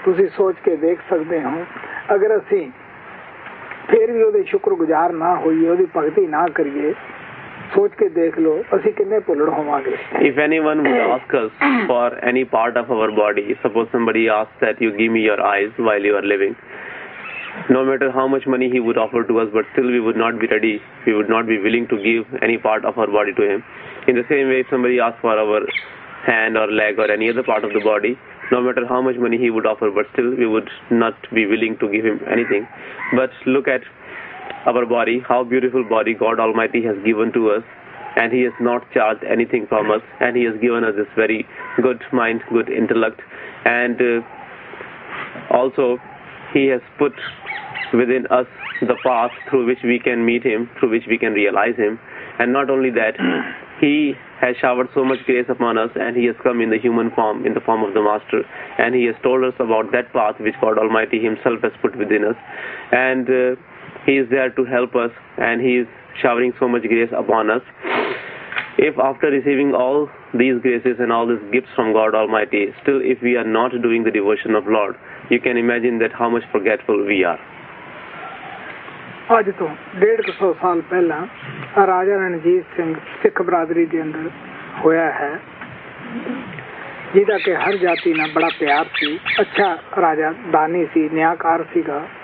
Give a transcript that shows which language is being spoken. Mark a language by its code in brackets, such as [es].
[pa] ਤੁਸੀਂ ਸੋਚ ਕੇ ਦੇਖ ਸਕਦੇ ਹੋ, ਅਗਰ ਅਸੀਂ ਫਿਰ ਵੀ ਉਹਦੇ ਸ਼ੁਕਰਗੁਜ਼ਾਰ ਨਾ ਹੋਈਏ, ਉਹਦੀ ਭਗਤੀ ਨਾ ਕਰੀਏ, ਸੋਚ ਕੇ ਦੇਖ ਲਓ ਅਸੀਂ ਕਿੰਨੇ ਭੁੱਲੜ ਹੋਵਾਂਗੇ। [en] If anyone would ask us for any part of our body, suppose somebody ask that you give me your eyes while you are living, no matter how much money he would offer to us, but still we would not be ready, we would not be willing to give any part of our body to him. In the same way, if somebody asks for our hand or leg or any other part of the body, no matter how much money he would offer, but still we would not be willing to give him anything. But look at our body, how beautiful body God Almighty has given to us, and he has not charged anything from us, and he has given us this very good mind, good intellect, and also he has put within us the path through which we can meet him, through which we can realize him. And not only that, he has showered so much grace upon us, and he has come in the human form, in the form of the master, and he has told us about that path which God Almighty himself has put within us, and he is there to help us, and he is showering so much grace upon us. If after receiving all these graces and all these gifts from God Almighty, still if we are not doing the devotion of Lord, you can imagine that how much forgetful we are. [pa] ਅੱਜ ਤੋਂ 150 ਸਾਲ ਪਹਿਲਾਂ ਰਾਜਾ ਰਣਜੀਤ ਸਿੰਘ ਸਿੱਖ ਬਰਾਦਰੀ ਦੇ ਅੰਦਰ ਹੋਇਆ ਹੈ, ਜਿਹਦਾ ਕਿ ਹਰ ਜਾਤੀ ਨਾਲ ਬੜਾ ਪਿਆਰ ਸੀ। ਅੱਛਾ ਰਾਜਾ, ਦਾਨੀ ਸੀ, ਨਿਆਂਕਾਰ ਸੀਗਾ।